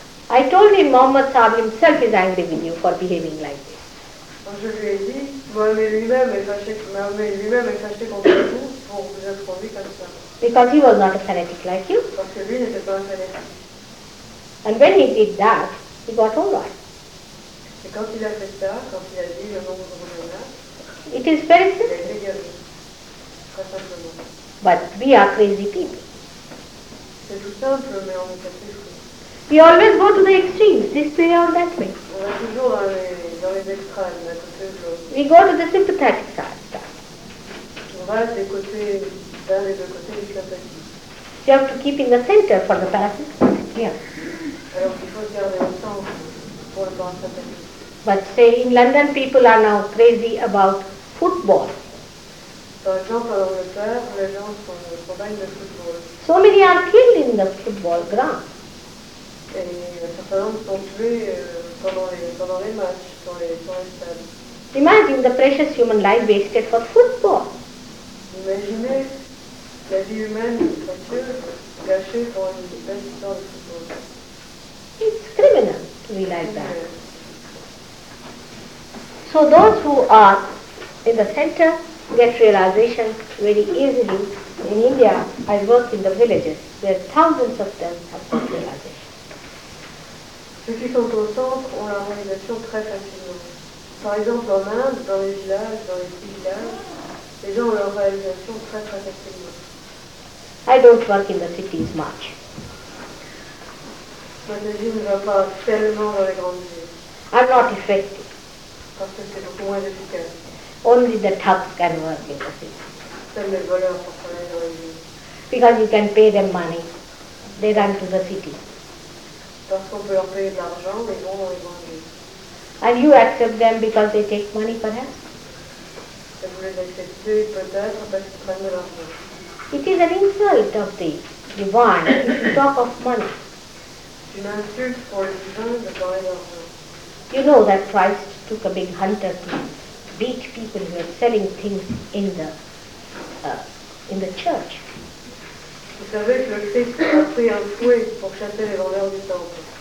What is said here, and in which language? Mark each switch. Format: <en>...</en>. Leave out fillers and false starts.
<en>I told him, Muhammad Sahib himself is angry with you for behaving like this.</en> <fr>Je lui ai dit, Mahomet lui-même est fâché contre vous pour vous être conduit comme ça.</fr> <en>Because he was not a fanatic like you.</en> <fr>Parce que lui n'était pas un fanatique.</fr> <en>And when he did that, he got all right.</en> <fr>Et quand il a fait ça, quand il a dit le nom de Guru Nanak,</fr> <en>it is very simple.</en> <fr>Il a été guéri. Très simplement.</fr> <en>But we are crazy people.</en> <fr>C'est tout simple, mais on est assez fou.</fr> <en>We always go to the extremes, this way or that way.</en> <fr>On va toujours dans les extrêmes, à côté de l'autre.</fr> <en>We go to the sympathetic side.</en> <fr>On va des côtés, vers les deux côtés, les sympathiques.</fr> <en>You have to keep in the center for the parasympathetic, yeah.</en> <fr>Alors il faut garder le centre pour le parasympathique.</fr> <en>But say, in London, people are now crazy about football.</en> <fr>Par exemple, en Angleterre, les gens sont des problèmes de football.</fr> <en>So many are killed in the football ground.</en> <fr>Et certains hommes sont tués pendant les matchs, dans les stades.</fr> <en>Imagine the precious human life wasted for football.</en> <fr>Imaginez la vie humaine précieuse gâchée pour une belle histoire de football.</fr> <en>It's criminal to be like that. So those who are in the center get realization very easily. In India, I work in the villages where thousands of them have got realization.</en> <fr>Ceux qui sont au centre ont la réalisation très facilement. Par exemple, en Inde, dans les villages, Les gens ont leur réalisation très très facilement.</fr> <en>I don't work in the cities much.</en> <fr>Mataji ne va pas tellement dans les grandes villes.</fr> <en>I'm not effective.</en> <fr>Parce que c'est beaucoup moins efficace.</fr> <en>Only the thugs can work in the cities.</en> <fr>Seuls les voleurs peuvent travailler dans les villes.</fr> <en>Because you can pay them money. They run to the city.</en> <fr>Parce qu'on peut leur payer de l'argent, ils vont dans les grandes villes.</fr> <en>And you accept them because they take money, perhaps?</en> <fr>Et vous les acceptez peut-être parce qu'ils prennent de l'argent.</fr> <en>It is an insult of the divine to talk of money.</en> <fr>Une insulte pour le divin de parler d'argent.</fr> <en>You know that Christ took a big hunter to beat people who were selling things in the church.</en> <fr>Vous savez que le Christ a pris un fouet pour chasser les vendeurs du temple.</fr>